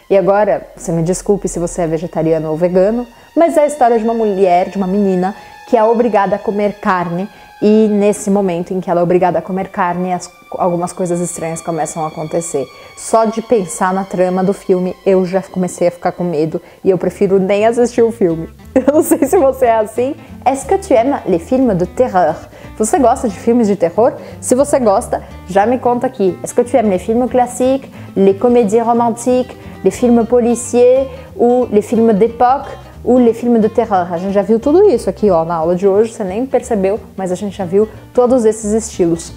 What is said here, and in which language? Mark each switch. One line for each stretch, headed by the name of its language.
Portuguese: E agora, você me desculpe se você é vegetariano ou vegano, mas é a história de uma mulher, de uma menina, que é obrigada a comer carne, e nesse momento em que ela é obrigada a comer carne, algumas coisas estranhas começam a acontecer. Só de pensar na trama do filme, eu já comecei a ficar com medo, e eu prefiro nem assistir o filme. Eu não sei se você é assim.
French: Est-ce que tu aimes les films de terreur?
Portuguese: Você gosta de filmes de terror? Se você gosta, já me conta aqui.
French: Est-ce que tu aimes les films classiques, les comédies romantiques, les films policiers, ou les films d'époque, ou les films de terreur?
Portuguese: A gente já viu tudo isso aqui, ó, na aula de hoje. Você nem percebeu, mas a gente já viu todos esses estilos.